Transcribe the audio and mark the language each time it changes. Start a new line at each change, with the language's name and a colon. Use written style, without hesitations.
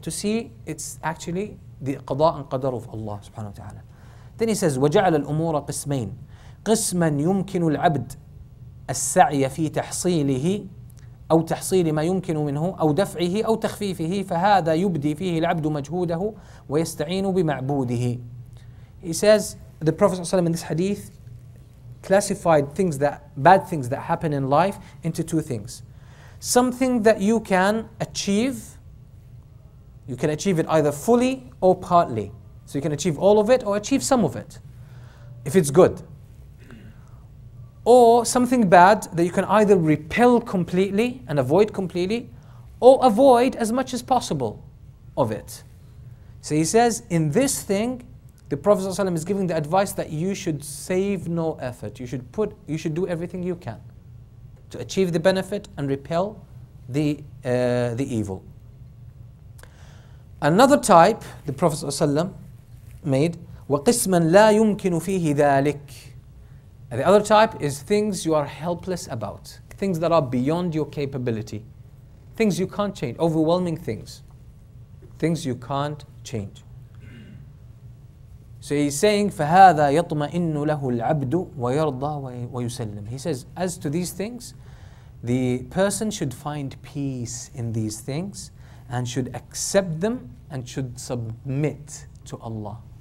English: To see, it's actually the قضاء and قدر of Allah subhanahu wa ta'ala. Then he says,
Arabic: وجعل الأمور قسمين. قسما يمكن العبد السعي في تحصيله أو تحصيل ما يمكن منه أو دفعه أو تخفيفه فهذا يبدي فيه العبد مجهوده ويستعين بمعبوده.
English: He says, the Prophet ﷺ in this hadith classified bad things that happen in life into two things. Something that you can achieve it either fully or partly. So you can achieve all of it or achieve some of it, if it's good. Or something bad that you can either repel completely and avoid completely, or avoid as much as possible of it. So he says, in this thing, the Prophet ﷺ is giving the advice that you should save no effort. You should do everything you can to achieve the benefit and repel the evil. Another type the Prophet ﷺ made,
Arabic: وَقِسْمًا لَا يُمْكِنُ فِيهِ ذَلِكَ.
English: The other type is things you are helpless about, things that are beyond your capability, things you can't change, overwhelming things you can't change. So he's saying,
Arabic: فَهَذَا يَطْمَئِنُّ لَهُ الْعَبْدُ وَيَرْضَى وَيُسَلِّمُ.
English: He says, as to these things, the person should find peace in these things and should accept them and should submit to Allah.